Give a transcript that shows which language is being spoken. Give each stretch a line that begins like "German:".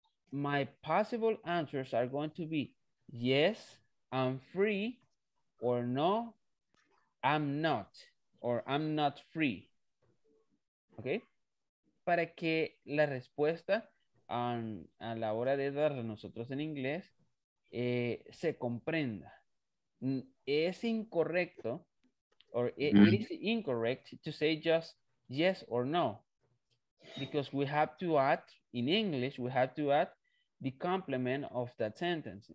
English: My possible answers are going to be yes, I'm free, or no, I'm not, or I'm not free. ¿Ok?
Spanish: Para que la respuesta a la hora de darla nosotros en inglés se comprenda. Es incorrecto,
English: or it is incorrect to say just yes or no, because we have to add, in English, we have to add the complement of that sentence.